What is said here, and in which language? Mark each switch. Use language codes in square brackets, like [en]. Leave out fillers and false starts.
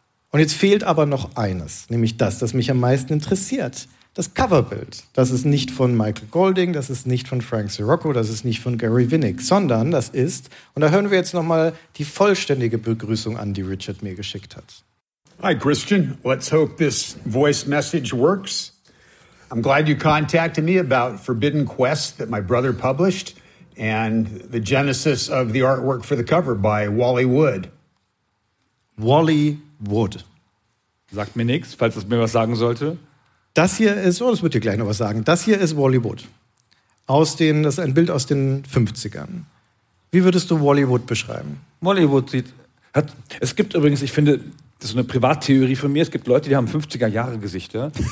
[de] Und jetzt fehlt aber noch eines, nämlich das, das mich am meisten interessiert. Das Coverbild. Das ist nicht von Michael Golding, das ist nicht von Frank Sirocco, das ist nicht von Gary Winnick, sondern das ist, und da hören wir jetzt nochmal die vollständige Begrüßung an, die Richard mir geschickt hat. [en] Hi Christian, let's hope this voice message works. I'm glad you contacted me about Forbidden Quest that my brother published and the genesis of the artwork for the cover by Wally Wood. Wally Wood. [de] Sagt mir nichts, falls es mir was sagen sollte. Das hier ist, oh, das wird dir gleich noch was sagen, das hier ist Wally Wood. Das ist ein Bild aus den 50ern. Wie würdest du Wally Wood beschreiben? Wally Wood es gibt übrigens, ich finde, das ist eine Privattheorie von mir, es gibt Leute, die haben 50er-Jahre-Gesichter.